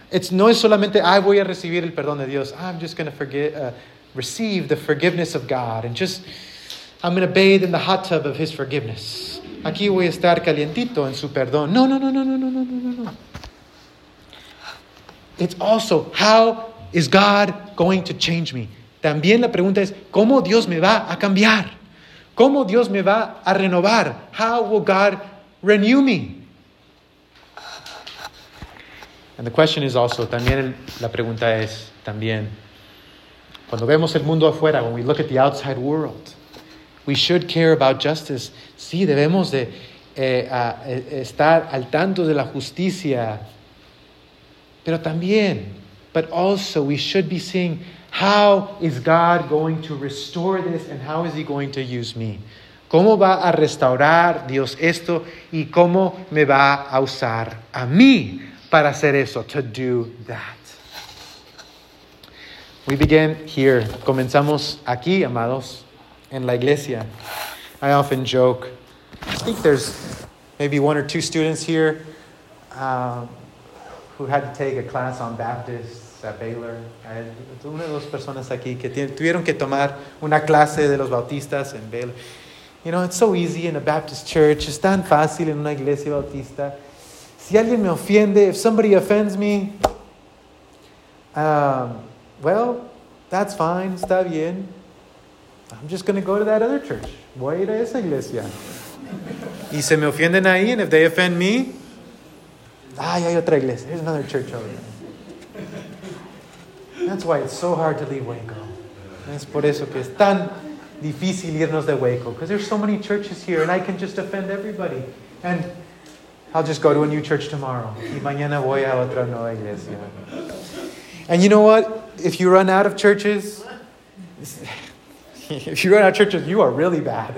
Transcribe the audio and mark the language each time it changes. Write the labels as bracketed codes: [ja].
[es] No es solamente, voy a recibir el perdón de Dios. [en] I'm just going to receive the forgiveness of God. And just, I'm going to bathe in the hot tub of his forgiveness. [es] Aquí voy a estar calientito en su perdón. No. [en] It's also, how is God going to change me? [es] También la pregunta es, ¿cómo Dios me va a cambiar? ¿Cómo Dios me va a renovar? [en] How will God renew me? And the question is also, [es] también la pregunta es, también, cuando vemos el mundo afuera, [en] when we look at the outside world, we should care about justice. [es] Sí, debemos de estar al tanto de la justicia. Pero también, [en] but also we should be seeing, how is God going to restore this and how is he going to use me? [es] ¿Cómo va a restaurar Dios esto y cómo me va a usar a mí para hacer eso, [en] to do that? We begin here. [es] Comenzamos aquí, amados, en la iglesia. [en] I often joke. I think there's maybe one or two students here who had to take a class on Baptists at Baylor. [es] Una de las personas aquí que tuvieron que tomar una clase de los bautistas en Baylor. [en] You know, it's so easy in a Baptist church. [es] Es tan fácil en una iglesia bautista. Si alguien me ofende, [en] if somebody offends me, well, that's fine. [es] Está bien. [en] I'm just going to go to that other church. [es] Voy a ir a esa iglesia. Y se me ofenden ahí, [en] and if they offend me, [es] ay, hay otra iglesia. [en] There's another church over there. That's why it's so hard to leave Waco. [es] Es por eso que es tan difícil irnos de Waco. [en] Because there's so many churches here, and I can just offend everybody. And I'll just go to a new church tomorrow. [es] Y mañana voy a otra nueva iglesia. [en] And you know what? If you run out of churches, you are really bad.